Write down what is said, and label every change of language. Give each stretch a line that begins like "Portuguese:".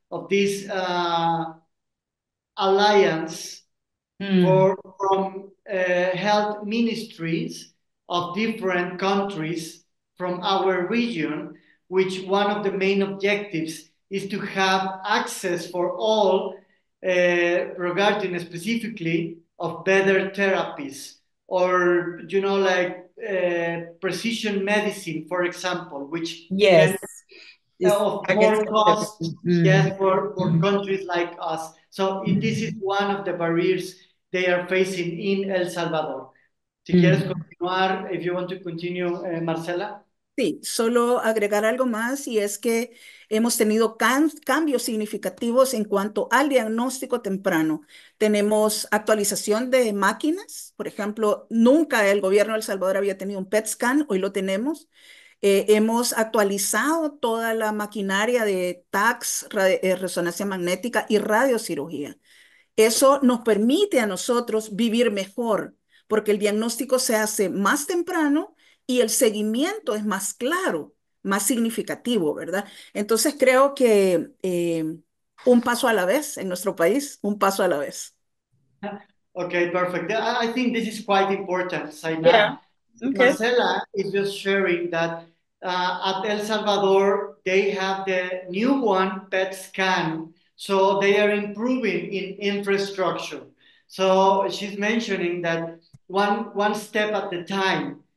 English: of this alliance for from health ministries of different countries from our region, which one of the main objectives is to have access for all regarding specifically of better therapies or, you know, like precision medicine, for example, which yes, can, of I more cost, yes, for countries like us. So this is one of the barriers they are facing in El Salvador.
Spanish: Si quieres continuar,
English: if you want to continue, Marcela.
Spanish: Sí, solo agregar algo más, y es que hemos tenido cambios significativos en cuanto al diagnóstico temprano. Tenemos actualización de máquinas, por ejemplo, nunca el gobierno de El Salvador había tenido un PET scan, hoy lo tenemos. Hemos actualizado toda la maquinaria de TACS, resonancia magnética y radiocirugía. Eso nos permite a nosotros vivir mejor, porque el diagnóstico se hace más temprano y el seguimiento es más claro, más significativo, ¿verdad? Entonces creo que un paso a la vez en nuestro país, un paso a la vez.
English: Okay, perfect. I think this is quite important, Saina. Yeah. Okay. Marcela is just sharing that at El Salvador, they have the new one PET scan. So they are improving in infrastructure. So she's mentioning that one step at a time.